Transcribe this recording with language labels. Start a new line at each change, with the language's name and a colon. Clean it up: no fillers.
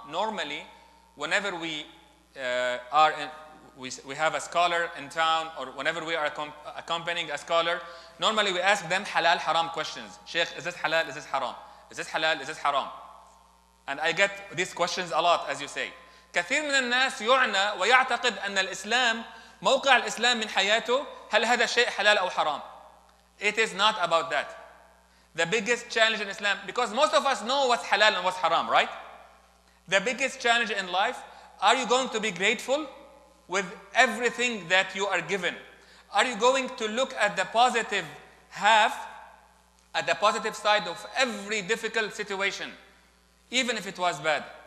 English: Normally, whenever we have a scholar in town, or whenever we are accompanying a scholar, normally we ask them halal, haram questions. Sheikh, is this halal, is this haram? Is this halal, is this haram? And I get these questions a lot, as you say.
Arabic: كثير من الناس يعنى ويعتقد أن الإسلام موقع الإسلام من حياته هل هذا شيء حلال أو حرام؟
English: It is not about that. The biggest challenge in Islam, because most of us know what's halal and what's haram, right? The biggest challenge in life, are you going to be grateful with everything that you are given? Are you going to look at the positive half, at the positive side of every difficult situation, even if it was bad?